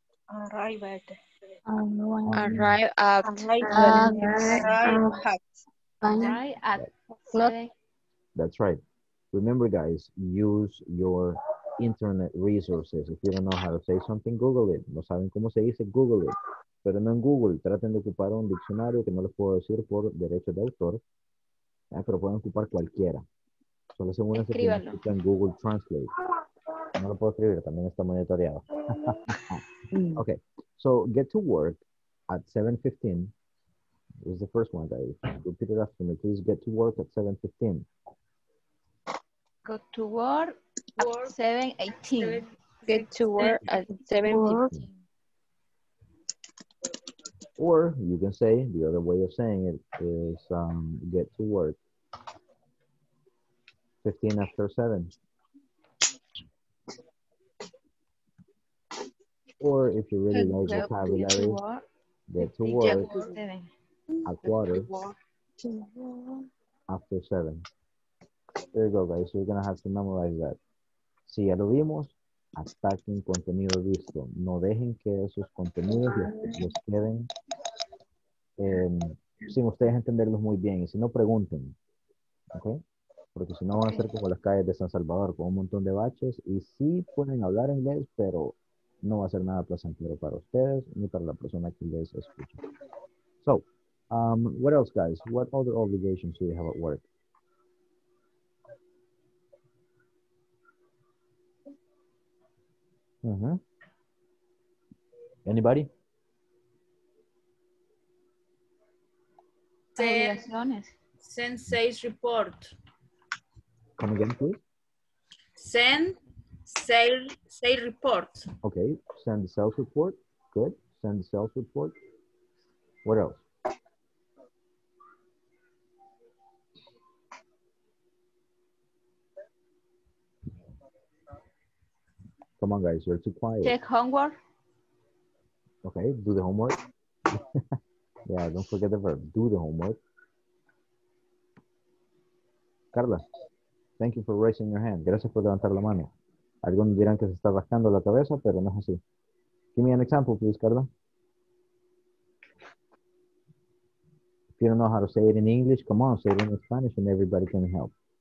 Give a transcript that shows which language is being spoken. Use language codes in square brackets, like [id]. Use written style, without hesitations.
[en] Arrive at. That's right. Remember, guys, use your internet resources. If you don't know how to say something, Google it. [es] No saben cómo se dice, [en] Google it. [es] Pero no en Google. Traten de ocupar un diccionario que no les puedo decir por derecho de autor. Pero pueden ocupar cualquiera. Solo según escríbanlo. Google Translate. No lo puedo escribir, también está monitoreado. [en] Okay, so get to work at 7:15. This is the first one, guys. Repeat it after me. Please get to work at 7:15. Go to work at 7:18. Get to work at 7:15. Or you can say the other way of saying it is get to work 15 after 7. Or if you really like vocabulary, get to work at 7:15. There you go, guys. So you're going to have to memorize that. [es] Si ya lo vimos, ataquen contenido visto. No dejen que esos contenidos les queden sin ustedes entenderlos muy bien. Y si no, pregunten. ¿Okay? Porque si no, van a ser como las calles de San Salvador, con un montón de baches. Y sí pueden hablar inglés, pero no va a ser nada placentero para ustedes ni para la persona que les escucha. [en] So, what else, guys? What other obligations do you have at work? Uh-huh. Anybody? Send sales report. Come again, please. Send sales report. Okay, send the sales report. Good. Send the sales report. What else? Come on, guys, you're too quiet. Check homework. Okay, do the homework. Yeah, don't forget the verb. Do the homework. Carla, thank you for raising your hand. [es] Gracias por levantar la mano. Algunos dirán que se está rascando la cabeza, pero no es así. [en] Give me an example, please, Carla. If you don't know how to say it in English, come on, say it in Spanish and everybody can help.